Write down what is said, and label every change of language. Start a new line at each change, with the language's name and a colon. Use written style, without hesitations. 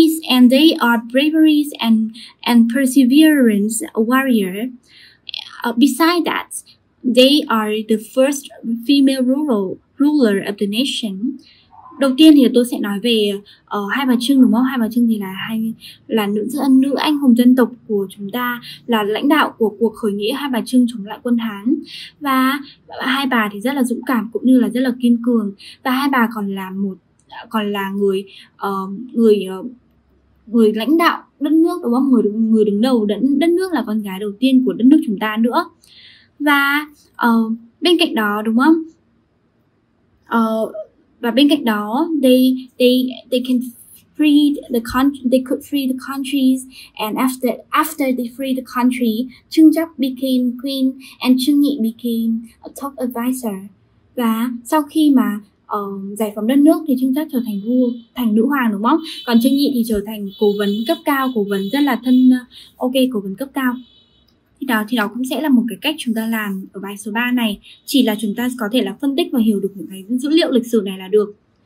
English: And they are bravery and perseverance warrior. Beside that, they are the first female ruler of the nation.
Vietnamese: Đầu tiên thì tôi sẽ nói về hai bà Trưng, đúng không? Hai bà Trưng thì là nữ anh hùng dân tộc của chúng ta, là lãnh đạo của cuộc khởi nghĩa hai bà Trưng chống lại quân Hán. Và hai bà thì rất là dũng cảm cũng như là rất là kiên cường. Và hai bà còn là người lãnh đạo đất nước, đúng không? Người đứng đầu đất nước, là con gái đầu tiên của đất nước chúng ta nữa. Và bên cạnh đó, đúng không? Và bên cạnh đó
English: they could free the countries, and after they freed the country, Trưng Chắc became queen and Trưng Nghị became a top advisor.
Vietnamese: Và sau khi mà giải phóng đất nước thì Trưng Chắc trở thành vua, thành nữ hoàng, đúng không? Còn Trưng Nghị thì trở thành cố vấn cấp cao, cố vấn rất là thân, cố vấn cấp cao. Thì đó cũng sẽ là một cái cách chúng ta làm ở bài số 3 này. Chỉ là chúng ta có thể là phân tích và hiểu được những cái dữ liệu lịch sử này là được.